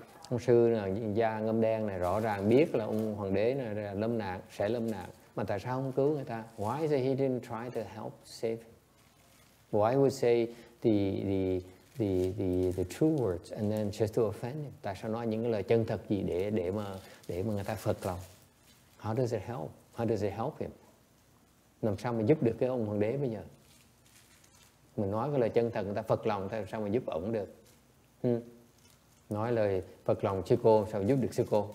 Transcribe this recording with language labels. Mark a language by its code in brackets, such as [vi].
[vi] Ông sư da ngâm đen này rõ ràng biết là ông hoàng đế này sẽ lâm nạn, mà tại sao không cứu người ta? [en] Why is it he didn't try to help save? Why would say the true words and then just to offend him? [vi] Tại sao nói những cái lời chân thật gì để mà người ta phật lòng? [en] How does it help? How does it help him? [vi] Làm sao mà giúp được cái ông hoàng đế bây giờ? Mình nói cái lời chân thật người ta phật lòng, làm sao mà giúp ổng được? Nói lời phật lòng sư cô, sao giúp được sư cô?